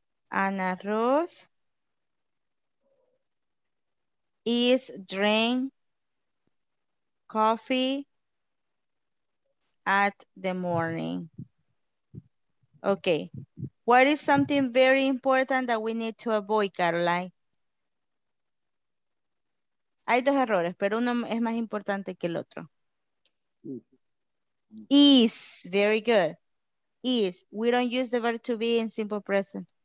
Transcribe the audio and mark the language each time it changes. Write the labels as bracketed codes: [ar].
[en] Ana Ruth is drink coffee at the morning. Okay. What is something very important that we need to avoid, Caroline? [es] Hay 2 errores, pero uno es más importante que el otro. [en] Is, very good. Is, we don't use the verb to be in simple present.